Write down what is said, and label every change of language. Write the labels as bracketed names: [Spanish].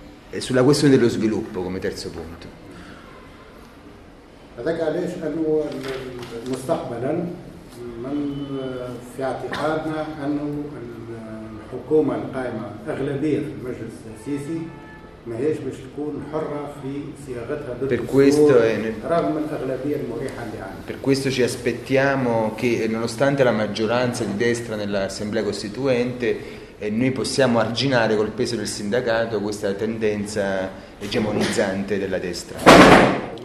[Italian] E sulla questione dello sviluppo come terzo punto. [Arabic] هذاك علاش انه مستقبلا من في اعتقادنا انه الحكومه القائمه اغلبيه في المجلس التاسيسي ماهيش باش تكون حره في صياغتها ضد رغم الاغلبيه المريحه اللي عندها. [Italian] Per questo ci aspettiamo che nonostante la maggioranza di destra nell'assemblea costituente noi possiamo arginare col peso del sindacato questa tendenza egemonizzante della destra.